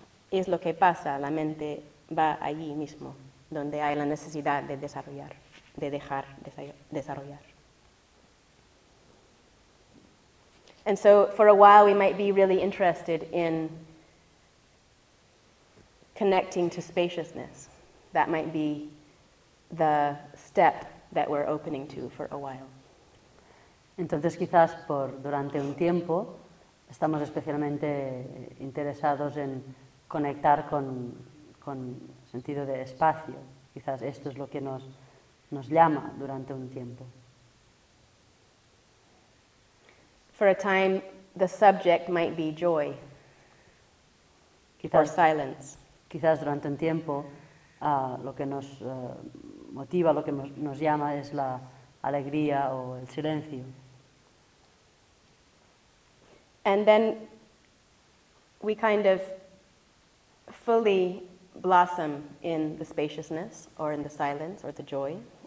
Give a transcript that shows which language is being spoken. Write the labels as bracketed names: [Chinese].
[Spanish] Es lo que pasa, la mente va allí mismo, donde hay la necesidad de desarrollar, de dejar desarrollar. [English] And so for a while we might be really interested in connecting to spaciousness. That might be the step that we're opening to for a while. [Spanish] Entonces quizás durante un tiempo estamos especialmente interesados en conectar con sentido de espacio. Quizás esto es lo que nos llama durante un tiempo. [English] For a time, the subject might be joy, [Spanish] quizás, [English] or silence. [Spanish] Quizás durante un tiempo, lo que nos motiva, lo que nos llama es la alegría o el silencio. [English] And then we kind of fully blossom in the spaciousness, or in the silence, or the joy.